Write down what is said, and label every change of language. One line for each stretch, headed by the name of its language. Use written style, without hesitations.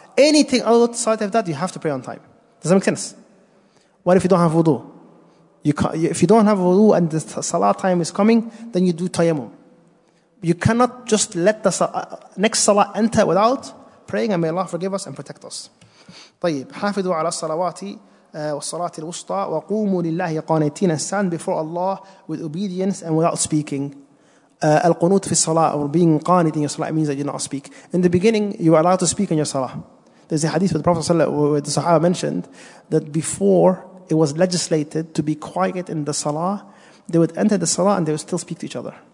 English: Anything outside of that, you have to pray on time. Does that make sense? What if you don't have wudu? If you don't have wudu and the salah time is coming, then you do tayammum. You cannot just let the next salah enter without praying, and may Allah forgive us and protect us.
Arabic: طيب حافظوا على الصلوات والصلاة الوسطى وقوموا لله قانتين.
English: And stand before Allah with obedience and without speaking. Al-qunut fi salah, or being qanit in your salah, means that you do not speak. In the beginning, you are allowed to speak in your salah. There's a hadith where the Prophet sallallahu alaihi wasallam, where the Sahaba mentioned that before it was legislated to be quiet in the salah, they would enter the salah and they would still speak to each other.